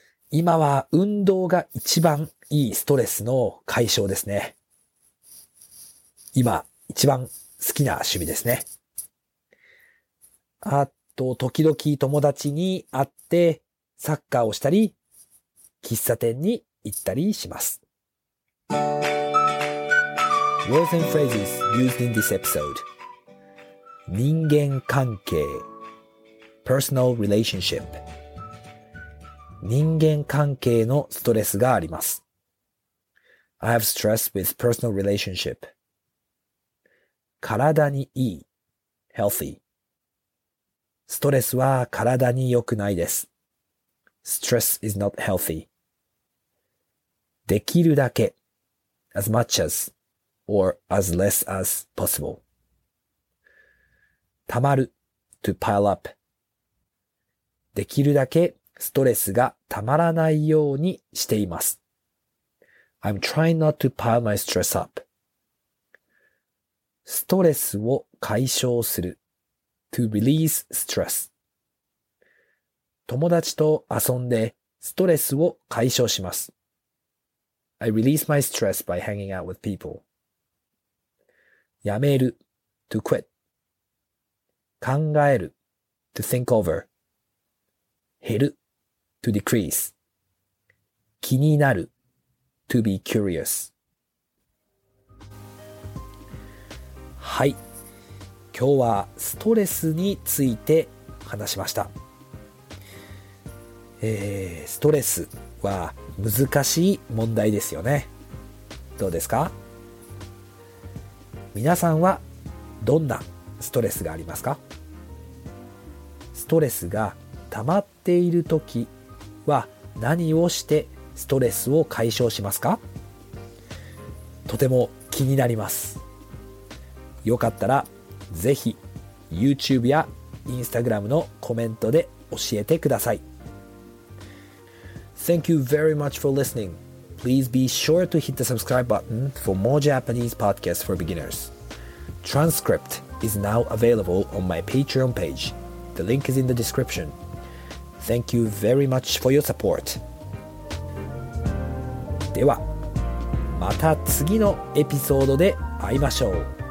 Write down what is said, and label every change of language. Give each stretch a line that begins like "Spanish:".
Japanese: 今は運動が一番いいストレスの解消ですね。今一番好きな趣味ですね。あと、時々友達に会ってサッカーをしたり、喫茶店に行ったりします。
English: Words and phrases used in this episode. 人間関係 personal relationship.
Japanese: 人間関係のストレスがあります。
English: I have stress with personal relationship.
Japanese: 体にいい healthy. ストレスは体に良くないです。
English: Stress is not healthy. できるだけ as much as or as less as possible. たまる to pile up.
Japanese: できるだけストレスがたまらないようにしています。
English: I'm trying not to pile my stress up.
Japanese: ストレスを解消する。
English: To release stress.
Japanese: 友達と遊んでストレスを解消します。
English: I release my stress by hanging out with people.
Japanese: やめる。
English: To quit.
Japanese: 考える。
English: To think over.
Japanese: 減る。
English: To decrease.
Japanese: 気になる。
English: To be curious.
Japanese: はい。今日はストレスについて話しました。ストレスは難しい問題ですよね。どうですか？皆さんはどんなストレスがありますか？ストレスが溜まっているときは何をしてストレスを解消しますか？とても気になります。よかったらぜひ YouTube や Instagram のコメントで教えてください。
English: Thank you very much for listening. Please be sure to hit the subscribe button for more Japanese podcasts for beginners. Transcript is now available on my Patreon page. The link is in the description. Thank you very much for your support.
Japanese: では、また次のエピソードで会いましょう。